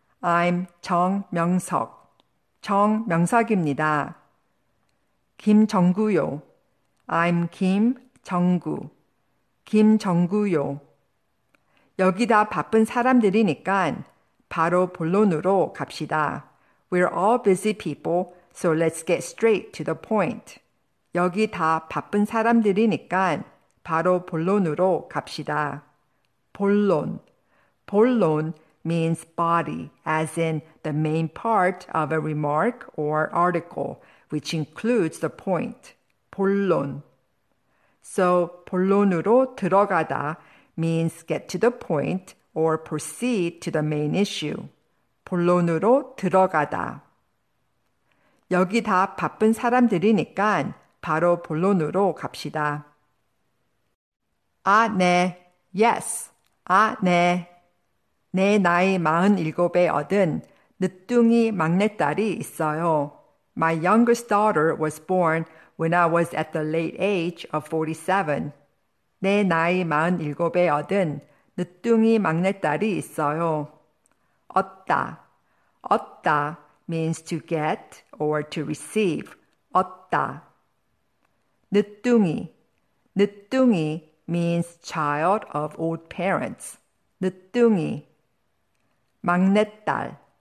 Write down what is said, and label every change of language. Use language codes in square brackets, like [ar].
[en] I'm 정명석. 정명석입니다. 김정구요. I'm 김정구. [ko] 김정구요. 여기다 바쁜 사람들이니까 바로 본론으로 갑시다. [en] We're all busy people, so let's get straight to the point. [ko] 여기 다 바쁜 사람들이니까 바로 본론으로 갑시다. 본론. [en] 본론 means body, as in the main part of a remark or article, which includes the point. 본론. So, [ko] 본론으로 들어가다 [en] means get to the point or proceed to the main issue. [ko] 본론으로 들어가다. 여기 다 바쁜 사람들이니까 바로 본론으로 갑시다. 아, 네. [en] Yes. [ko] 아, 네. 내 나이 47에 얻은 늦둥이 막내딸이 있어요. [en] My youngest daughter was born when I was at the late age of 47. [ko] 내 나이 47에 얻은 늦둥이 막내딸이 있어요. [en] 얻다. 얻다 means to get or to receive. 얻다. 늦둥이. 늦둥이 means child of old parents. 늦둥이. 막내딸.